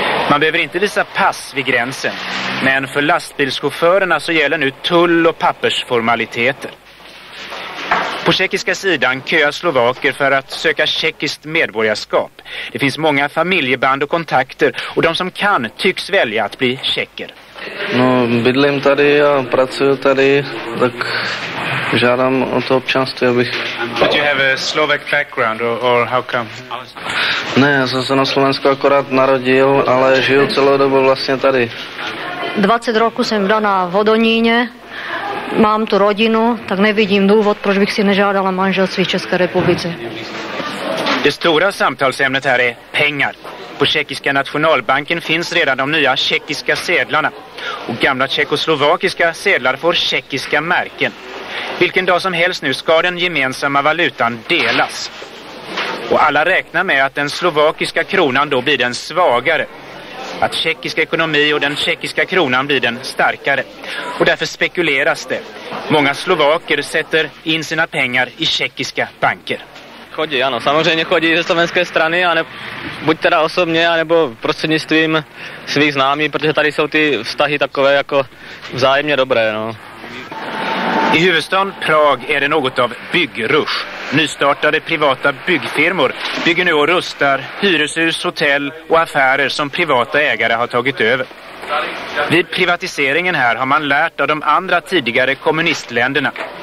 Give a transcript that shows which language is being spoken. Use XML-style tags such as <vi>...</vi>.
<sv>Man behöver inte visa pass vid gränsen, men för lastbilschaufförerna så gäller nu tull- och pappersformaliteter. På tjeckiska sidan köar slovaker för att söka tjeckiskt medborgarskap. Det finns många familjeband och kontakter och de som kan tycks välja att bli tjecker.</sv> <cs>No, bydlím tady a pracuju tady, tak žádám o to občanství, abych...</cs> <en>But you have a Slovak background or how come?</en> <cs>Ne, já jsem se na Slovensku akorát narodil, ale žiju celou dobu vlastně tady. 20 roku jsem vdaná v Hodoníně. Mám tu rodinu, tak nevidím důvod, proč bych si nežádala manželství v České republice.</cs> <sv>Det stora samtalsämnet här är pengar. På Tjeckiska nationalbanken finns redan de nya tjeckiska sedlarna. Och gamla tjeckoslovakiska sedlar får tjeckiska märken. Vilken dag som helst nu ska den gemensamma valutan delas. Och alla räknar med att den slovakiska kronan då blir den svagare. Att tjeckisk ekonomi och den tjeckiska kronan blir den starkare. Och därför spekuleras det. Många slovaker sätter in sina pengar i tjeckiska banker.</sv> <cs>Chodí, ano, samozřejmě chodí ze slovenské strany, a ne, buď teda osobně, anebo prostřednictvím svých známí, protože tady jsou ty vztahy takové jako vzájemně dobré, no.</cs> <sv>I huvudstaden Prag är det något av byggrush. Nystartade privata byggfirmor bygger nu och rustar hyreshus, hotell och affärer som privata ägare har tagit över. Vid privatiseringen här har man lärt av de andra tidigare kommunistländerna.</sv>